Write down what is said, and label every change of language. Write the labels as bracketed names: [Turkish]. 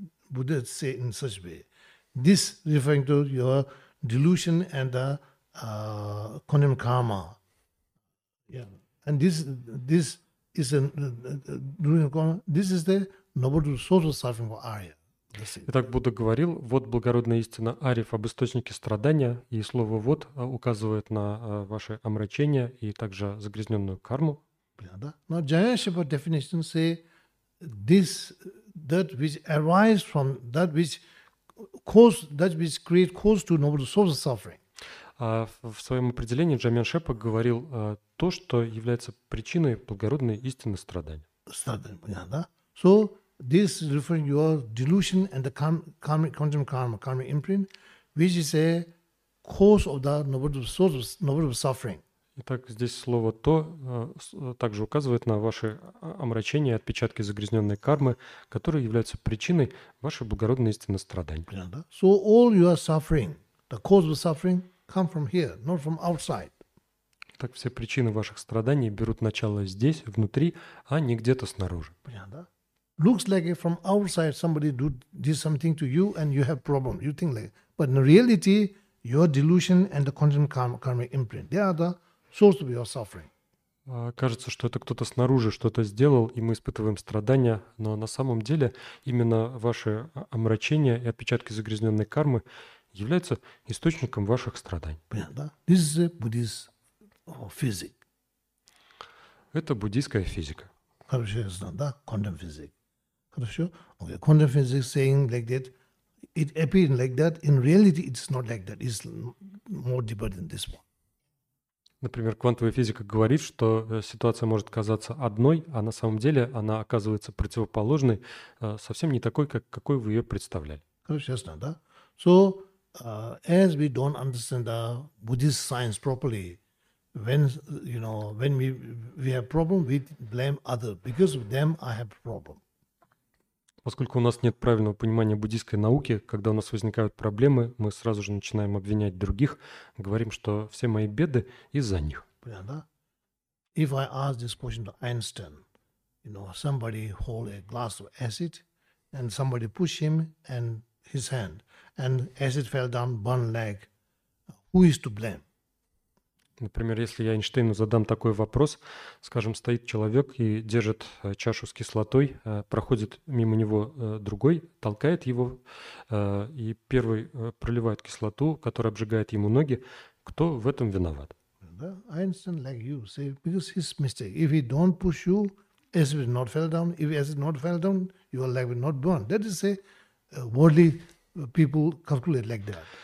[English] Buddha said in such way. This referring to your delusion and the condemned karma. Yeah. And this is the Noble Truths of source of suffering for area. [Russian] Итак, Будда говорил, вот благородная истина ариф об источнике страдания, и слово «вот» указывает на ваше омрачение и также загрязненную карму. [English] Но Джаяшипа definition say this, that which arise from, that which cause, that which create cause to noble source of suffering. [Russian] В своем определении Джамин Шепа говорил то, что является причиной благородной истины страдания. Страдания, понятно, да? [English] So, this is referring to your delusion and the karmic imprint, which is a cause of the noble suffering. [Russian] Итак, здесь слово то также указывает на ваши омрачения, отпечатки загрязненной кармы, которые являются причиной вашей благородной истины страдания. [English] So all your suffering, the cause of suffering, come from here, not from outside. [Russian] Так все причины ваших страданий берут начало здесь, внутри, а не где-то снаружи. Понятно, да? [English] Looks like from outside somebody did something to you and you have problem. You think like, but in reality, your delusion and the conditioned karmic imprint, they are the source of your suffering. [Russian] Кажется, что это кто-то снаружи что-то сделал, и мы испытываем страдания, но на самом деле именно ваши омрачения и отпечатки загрязненной кармы являются источником ваших страданий. [English] This is Buddhist physics. [Russian] Это буддийская физика. Хорошо, я знаю, да? [English] Quantum physics. [Russian] Хорошо? [English] Okay. Quantum physics saying like that, it appears like that, in reality it's not like that, it's more deeper than this one. [Russian] Например, квантовая физика говорит, что ситуация может казаться одной, а на самом деле она оказывается противоположной, совсем не такой, как какой вы ее представляли. Конечно, да. [English] So, as we don't understand the Buddhist science properly, when you know, when we have problem, we blame other because of them I have problem. [Russian] Поскольку у нас нет правильного понимания буддийской науки, когда у нас возникают проблемы, мы сразу же начинаем обвинять других, говорим, что все мои беды из-за них. Понятно? [English] If I ask this question to Einstein, you know, somebody hold a glass of acid, and somebody push him and his hand, and acid fell down, burn leg, who is to blame? [Russian] Например, если я Эйнштейну задам такой вопрос, скажем, стоит человек и держит чашу с кислотой, проходит мимо него другой, толкает его, и первый проливает кислоту, которая обжигает ему ноги, кто в этом виноват? [English] Einstein, like you say, because his mistake. If he don't push you, acid will not fall down. If acid not fall down, your leg will not burn. That is say, worldly people calculate like that.